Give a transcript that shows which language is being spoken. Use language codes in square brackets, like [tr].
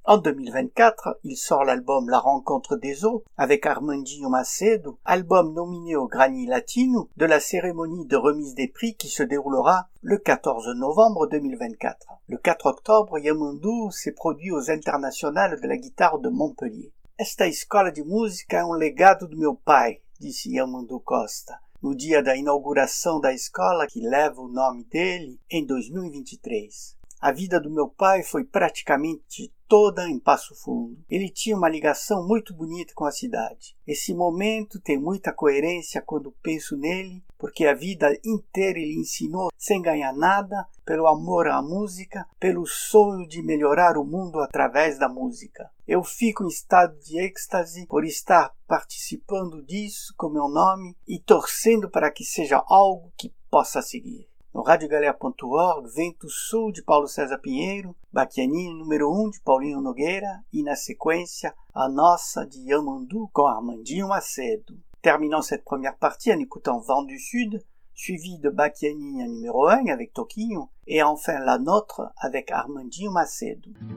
[fr] En 2024, il sort l'album La Rencontre des Eaux avec Armandinho Macedo, album nominé au Grammy Latino de la cérémonie de remise des prix qui se déroulera le 14 novembre 2024. Le 4 octobre, Yamandu s'est produit aux Internationales de la guitare de Montpellier. [pt] Esta escola de música é um legado do meu pai, disse Yamandu Costa, no dia da inauguração da escola que leva o nome dele em 2023. A vida do meu pai foi praticamente toda em Passo Fundo. Ele tinha uma ligação muito bonita com a cidade. Esse momento tem muita coerência quando penso nele, porque a vida inteira ele ensinou sem ganhar nada, pelo amor à música, pelo sonho de melhorar o mundo através da música. Eu fico em estado de êxtase por estar participando disso com meu nome e torcendo para que seja algo que possa seguir. No radiogaleia.org, Vento Sul de Paulo César Pinheiro, Baquianinho número 1 de Paulinho Nogueira e, na sequência, a nossa de Yamandu com Armandinho Macedo. [fr] Terminant cette première partie en écoutant Vent du Sud, suivi de Bacchia e Niña numéro 1 avec Toquinho, et enfin la nôtre avec Armandinho Macedo.